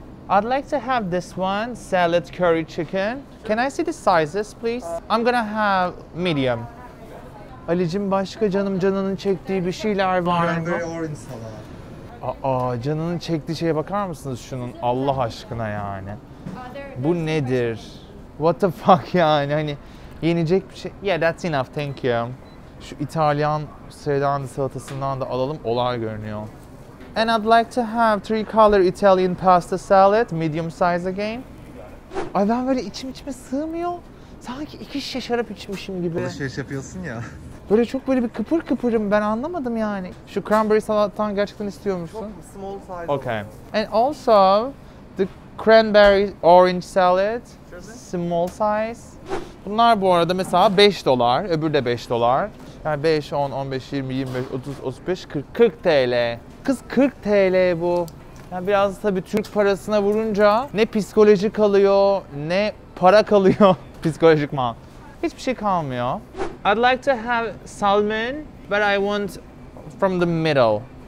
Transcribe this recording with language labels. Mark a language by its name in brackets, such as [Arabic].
[English] I'd like to have this one, salad curry chicken. Can I see the sizes please? I'm gonna have medium. [Turkish] Ali'cim başka canının çektiği bir şeyler var mı? [English] Cranberry orange salad. [Turkish] Aa, canının çektiği şeye bakar mısınız şunun? Allah aşkına yani. Bu nedir? [English] What the fuck [Turkish] yani? Hani yenecek bir şey. [English] Yeah, that's enough. Thank you. [Turkish] Şu İtalyan sevdanı salatasından da alalım. Olay görünüyor. [English] And I'd like to have three color Italian pasta salad, medium size again. [Turkish] Ay ben böyle içim içime sığmıyor. Sanki iki şişe şarap içmişim gibi. Alışveriş yapıyorsun ya. Böyle çok böyle bir kıpır kıpırım, ben anlamadım yani. Şu cranberry salattan gerçekten istiyor musun? [English] Çok small size. [Turkish] Okay. Olur. [English] And also the cranberry orange salad, small size. [Turkish] Bunlar bu arada mesela 5 dolar, öbür de 5 dolar. Yani 5, 10, 15, 20, 25, 30, 35, 40, 40 TL. Kız 40 TL bu. Yani biraz tabii Türk parasına vurunca ne psikoloji kalıyor, ne para kalıyor psikolojikman. Hiçbir şey kalmıyor. [English] I'd like to have salmon, but I want from the middle.